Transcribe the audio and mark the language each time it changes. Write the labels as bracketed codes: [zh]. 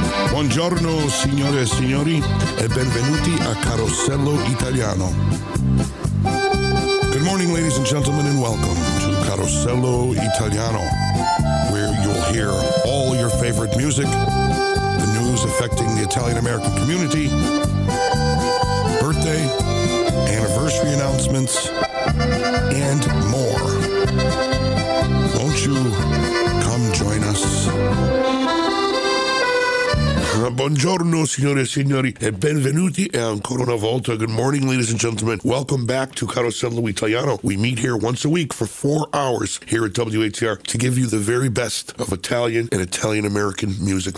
[it] Buongiorno signore e signori e benvenuti a Carosello Italiano. [en] Good morning ladies and gentlemen and welcome to Carosello Italiano, where you'll hear all your favorite music, the news affecting the Italian-American community, birthday, anniversary announcements, and more. Won't you come join us? [it] Buongiorno, signore e signori, e benvenuti e ancora una volta. [en] Good morning, ladies and gentlemen. Welcome back to Carosello Italiano. We meet here once a week for 4 hours here at WATR to give you the very best of Italian and Italian-American music.